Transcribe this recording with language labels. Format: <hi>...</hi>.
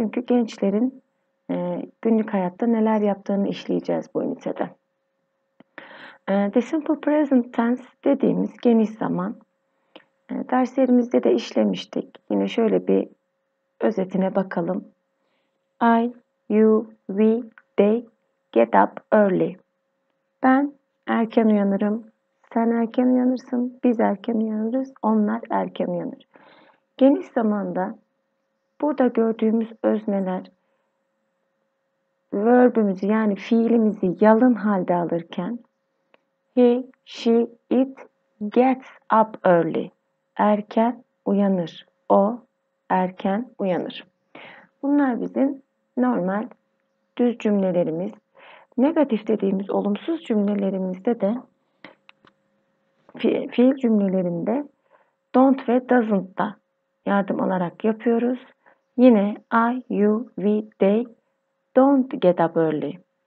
<tr>Çünkü gençlerin günlük hayatta neler yaptığını işleyeceğiz bu ünitede. The Simple Present Tense dediğimiz geniş zaman derslerimizde de işlemiştik. Yine şöyle bir özetine bakalım.</tr> <en>I, you, we, they get up early.</en> <tr>Ben erken uyanırım. Sen erken uyanırsın. Biz erken uyanırız. Onlar erken uyanır. Geniş zamanda burada gördüğümüz özneler verbimizi yani fiilimizi yalın halde alırken</tr> <en>he, she, it gets up early.</en> <tr>Erken uyanır. O erken uyanır. Bunlar bizim normal düz cümlelerimiz, negatif dediğimiz olumsuz cümlelerimizde de fiil cümlelerinde don't ve doesn't da yardım alarak yapıyoruz. Yine</tr> <en>I, you, we, they don't get up early.</en>